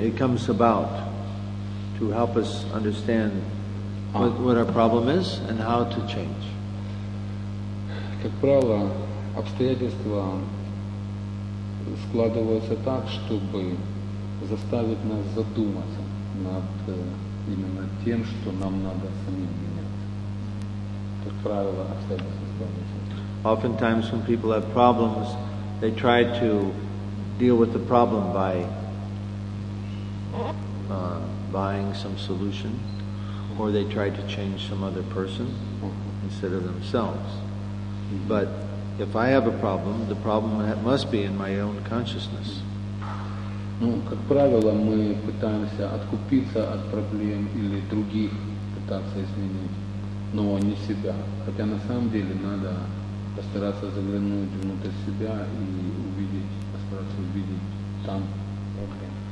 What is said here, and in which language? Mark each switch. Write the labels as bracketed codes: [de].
[en] It comes about to help us understand what our problem is and how to change. [ru] Как правило, обстоятельства складываются так, чтобы заставить нас задуматься над именно тем, что нам надо самим менять. Как правило, обстоятельства складываются. [en] Oftentimes, when people have problems, they try to deal with the problem by buying some solution, or they try to change some other person instead of themselves. But if I have a problem, the problem must be in my own consciousness. [ru] Ну, как правило, мы пытаемся откупиться от проблем или других пытаться изменить, но не себя. Хотя на самом деле надо постараться заглянуть внутрь себя и увидеть, постараться увидеть там проблемы.